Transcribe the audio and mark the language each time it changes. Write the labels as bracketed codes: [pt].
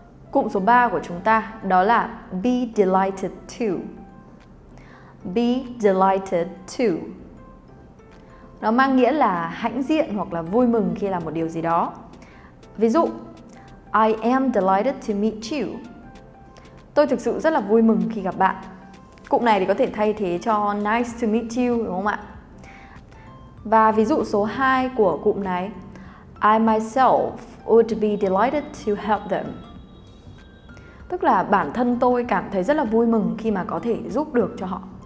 [vi] Cụm số 3 của chúng ta đó là be delighted to. Be delighted to. Nó mang nghĩa là hãnh diện hoặc là vui mừng khi làm một điều gì đó. Ví dụ, [en] I am delighted to meet you. [vi] Tôi thực sự rất là vui mừng khi gặp bạn. Cụm này thì có thể thay thế cho [en] nice to meet you, [vi] đúng không ạ? Và ví dụ số 2 của cụm này, [en] I myself would be delighted to help them. [vi] Tức là bản thân tôi cảm thấy rất là vui mừng khi mà có thể giúp được cho họ.